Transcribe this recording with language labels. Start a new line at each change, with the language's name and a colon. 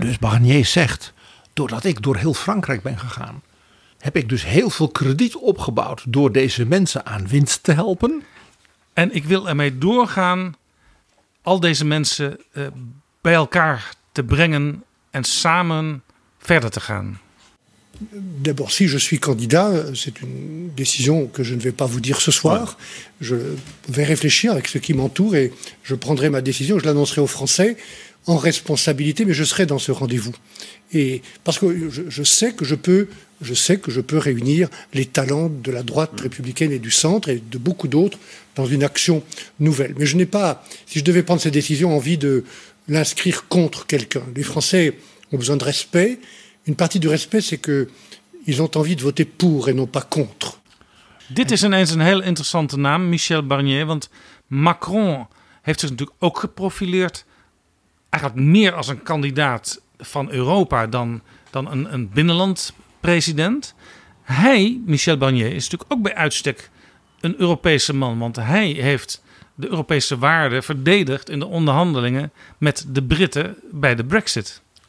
Dutch: Dus Barnier zegt, doordat ik door heel Frankrijk ben gegaan, heb ik dus heel veel krediet opgebouwd door deze mensen aan winst te helpen. En ik wil ermee doorgaan al deze mensen bij elkaar te brengen en samen verder te gaan.
French: D'abord, si je suis candidat, c'est une décision que je ne vais pas vous dire ce soir. Je vais réfléchir avec ceux qui m'entourent et je prendrai ma décision. Je l'annoncerai aux Français en responsabilité, mais je serai dans ce rendez-vous. Et parce que je sais que je peux réunir les talents de la droite républicaine et du centre et de beaucoup d'autres dans une action nouvelle. Mais je n'ai pas, si je devais prendre cette décision, envie de l'inscrire contre quelqu'un. Les Français ont besoin de respect. Une partie du respect, c'est que ils ont envie de voter pour et non pas contre.
Dutch: Dit is ineens een heel interessante naam, Michel Barnier, want Macron heeft zich natuurlijk ook geprofileerd eigenlijk meer als een kandidaat van Europa dan een binnenland president. Hij, Michel Barnier, is natuurlijk ook bij uitstek een Europese man, want hij heeft de Europese waarden verdedigd in de onderhandelingen met de Britten bij de Brexit.